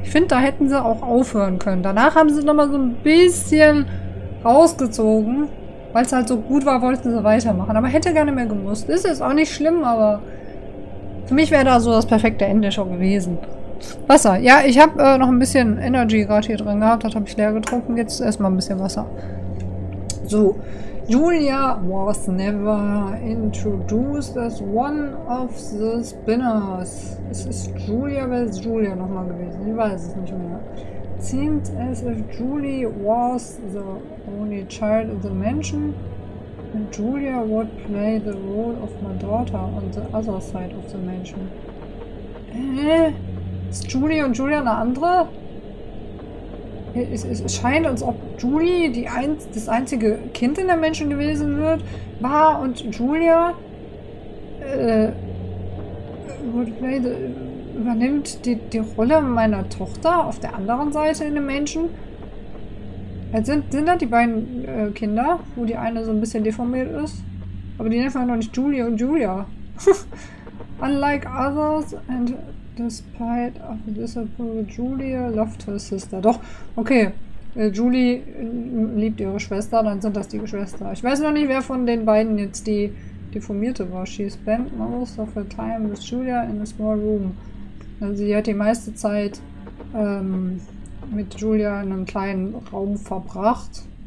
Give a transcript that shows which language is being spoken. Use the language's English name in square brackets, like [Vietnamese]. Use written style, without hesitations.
[German] Ich finde, da hätten sie auch aufhören können. Danach haben sie nochmal so ein bisschen rausgezogen. Weil es halt so gut war, wollten sie weitermachen. Aber hätte gerne mehr gemusst. Ist jetzt auch nicht schlimm, aber für mich wäre da so das perfekte Ende schon gewesen. Wasser. Ja, ich habe noch ein bisschen Energy gerade hier drin gehabt. Das habe ich leer getrunken. Jetzt erstmal ein bisschen Wasser. So. [English] Julia was never introduced as one of the spinners. [German] Es ist Julia, wer ist Julia nochmal gewesen? Ich weiß es nicht mehr. [English] Seems as if Julie was the only child in the mansion. And Julia would play the role of my daughter on the other side of the mansion. [German] Ist Julie und Julia eine andere? Es scheint, als ob Julie das einzige Kind in der Menschen gewesen wird, war und Julia übernimmt die Rolle meiner Tochter auf der anderen Seite in den Menschen. Sind das die beiden Kinder, wo die eine so ein bisschen deformiert ist? Aber die nennen wir noch nicht Julie und Julia. [English] Unlike others and despite of disapproval, Julia loved her sister. [German] Doch, okay. Julie liebt ihre Schwester, dann sind das die Geschwister. Ich weiß noch nicht, wer von den beiden jetzt die deformierte war. [English] She spent most of her time with Julia in a small room. [German] Also sie hat die meiste Zeit mit Julia in einem kleinen Raum verbracht.